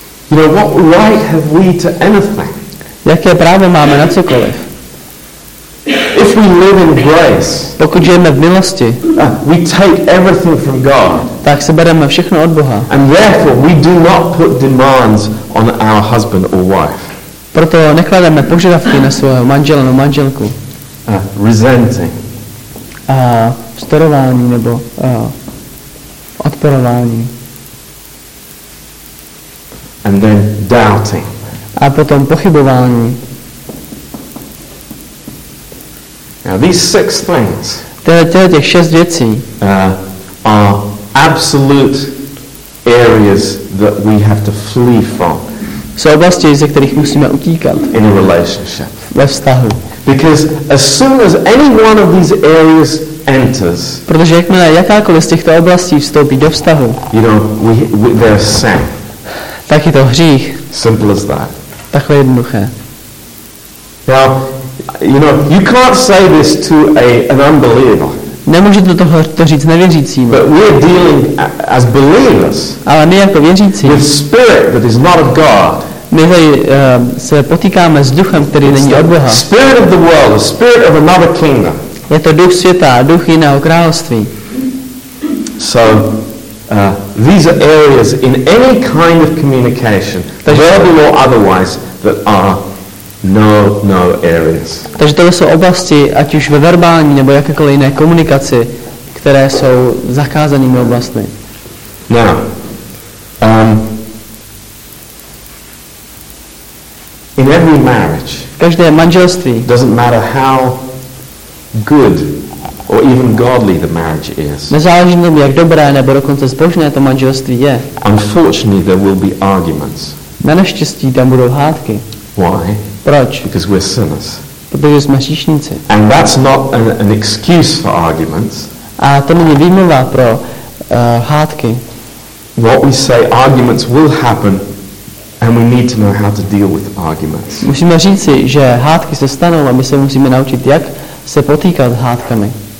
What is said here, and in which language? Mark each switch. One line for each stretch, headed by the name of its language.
English: You know, what right have we to anything?
Czech: Jaké právo máme na cokoliv?
English: If we live in grace,
Czech: pokud žijeme v milosti,
English: we take everything from God.
Czech: Tak se bereme všechno od Boha.
English: And therefore we do not put demands on our husband or wife.
Czech: Proto neklademe požadavky na svého manžela nebo manželku.
English: Resenting.
Czech: A vzdorování nebo odporování.
English: And then doubting.
Czech: A potom pochybování.
English: Now these six things.
Czech: Těch šest věcí.
English: are absolute areas that we have to flee from.
Czech: Jsou oblasti, ze kterých musíme utíkat.
English: In a relationship.
Czech: Ve vztahu.
English: Because as soon as any one of these areas enters.
Czech: Protože jakmile jakákoliv z těchto oblastí vstoupí do vztahu.
English: You know, we they're sin.
Czech: Tak je to hřích.
English: Simple as that.
Czech: Takhle jednoduché.
English: Now, you know, you can't say this to an unbeliever.
Czech: Nemůžete toho to říct nevěřícím.
English: But we're dealing as believers.
Czech: Ale my jako věřící.
English: With spirit that is not of God.
Czech: My tady se potýkáme s duchem, který
English: it's
Czech: není od Boha.
English: Spirit of the world, the spirit of another kingdom.
Czech: Je to duch světa, duch jiného království.
English: So, these are areas in any kind of communication, verbal or otherwise, that are no areas.
Czech: Takže to jsou oblasti, ať už ve verbální nebo jakékoliv jiné komunikaci, které jsou zakázanými oblastmi.
English: Now, in every marriage,
Czech: každé manželství,
English: doesn't matter how good or even godly the marriage is.
Czech: Nezáleží na tom, jak dobré nebo dokonce zbožné to manželství je.
English: Unfortunately, there will be arguments.
Czech: Na neštěstí tam budou hádky.
English: Why?
Czech: Proč?
English: Because we're sinners.
Czech: Protože jsme hříšníci.
English: And that's not an excuse for arguments.
Czech: A to není výmluva pro hádky.
English: What we say, arguments will happen, and we need to know how to deal with arguments.
Czech: Musíme říci, že hádky se stanou, a my se musíme naučit, jak se potýkat s hádkami.